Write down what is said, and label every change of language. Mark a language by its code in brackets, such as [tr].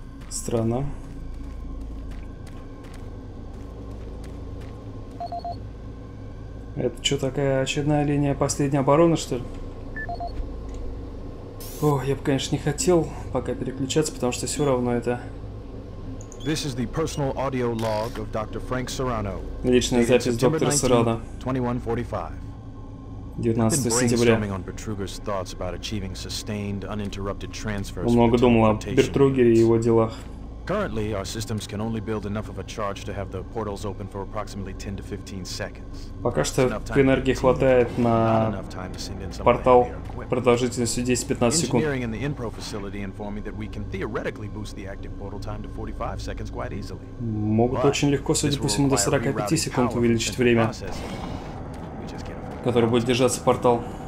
[ru] Странно. Это что, такая очередная линия последней обороны, что ли? О, я бы, конечно, не хотел пока переключаться, потому что все равно это... [en] This is the personal audio log of Dr. Frank Serrano. [ru] Личная запись доктора Серрано. 19 сентября. [en] Been brainstorming on Bertruger's thoughts about achieving sustained, uninterrupted transfers. [ru] Он много думал о Бертругере и его делах. [en] Currently, our systems can only build enough of a charge to have the portals open for approximately 10 to 15 seconds. [ru] Пока что энергии хватает на портал продолжительностью 10-15 секунд. [en] Engineering in the Inpro facility informed me that we can theoretically boost the active portal time to 45 seconds quite easily. [ru] Могут очень легко, судя по всему, до 45 секунд увеличить время, которое будет держаться портал.